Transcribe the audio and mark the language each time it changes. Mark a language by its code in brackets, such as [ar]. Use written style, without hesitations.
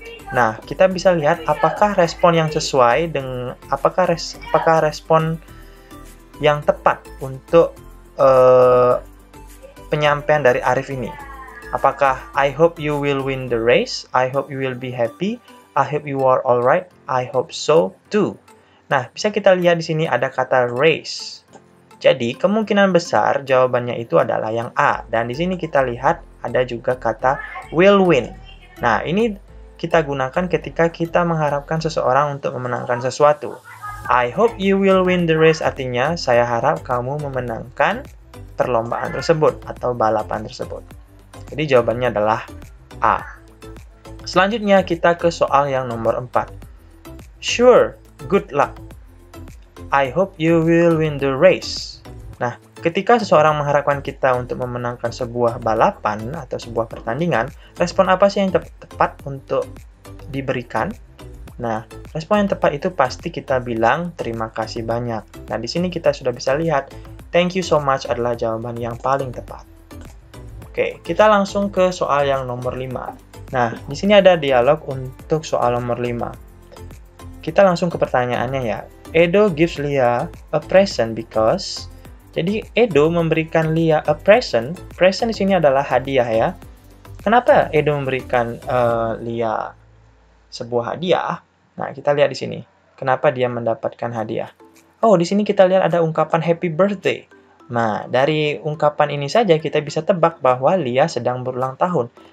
[id] Nah, kita bisa lihat apakah respon yang sesuai dengan apakah respon yang tepat untuk penyampaian dari Arif ini. [en] Apakah I hope you will win the race, I hope you will be happy, I hope you are alright, I hope so too. [id] Nah, bisa kita lihat di sini ada kata race. Jadi, kemungkinan besar jawabannya itu adalah yang A. Dan di sini kita lihat ada juga kata will win. Nah, ini kita gunakan ketika kita mengharapkan seseorang untuk memenangkan sesuatu. [en] I hope you will win the race [id] artinya saya harap kamu memenangkan perlombaan tersebut atau balapan tersebut. Jadi jawabannya adalah A. Selanjutnya kita ke soal yang nomor 4. [en] Sure, good luck. I hope you will win the race. [id] Nah, ketika seseorang mengharapkan kita untuk memenangkan sebuah balapan atau sebuah pertandingan, respon apa sih yang tepat untuk diberikan? Nah, respon yang tepat itu pasti kita bilang terima kasih banyak. Nah, di sini kita sudah bisa lihat [en] thank you so much [id] adalah jawaban yang paling tepat. Oke, kita langsung ke soal yang nomor 5. Nah, di sini ada dialog untuk soal nomor 5. Kita langsung ke pertanyaannya ya. [en] Edo gives Lia a present because... [id] Jadi, Edo memberikan Lia a present. Present di sini adalah hadiah ya. Kenapa Edo memberikan Lia sebuah hadiah? Nah, kita lihat di sini. Kenapa dia mendapatkan hadiah? Oh, di sini kita lihat ada ungkapan happy birthday. Nah, dari ungkapan ini saja kita bisa tebak bahwa Lia sedang berulang tahun.